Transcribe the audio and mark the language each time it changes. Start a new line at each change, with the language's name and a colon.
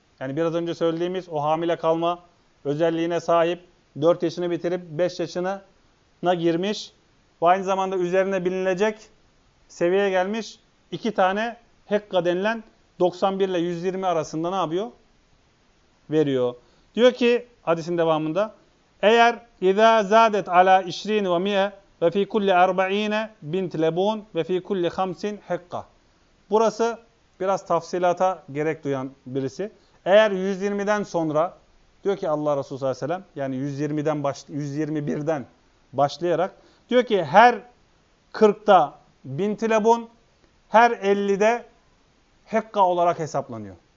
Turkish: Yani biraz önce söylediğimiz o hamile kalma özelliğine sahip, 4 yaşını bitirip 5 yaşına girmiş ve aynı zamanda üzerine binilecek seviyeye gelmiş 2 tane hekka denilen 91 ile 120 arasında ne yapıyor? Veriyor. Diyor ki hadisin devamında, eğer
Arabic: اِذَا زَادَتْ عَلَى اِشْرِينِ وَمِيَ وَفِي كُلِّ اَرْبَع۪ينَ بِنْ تِلَبُونَ وَفِي كُلِّ خَمْسٍ حَقَّ.
Turkish: Burası biraz tafsilata gerek duyan birisi. Eğer 120'den sonra, diyor ki Allah Resulü sallallahu aleyhi ve sellem, yani 121'den başlayarak, diyor ki her 40'ta bin tilebun, her 50'de hekka olarak hesaplanıyor.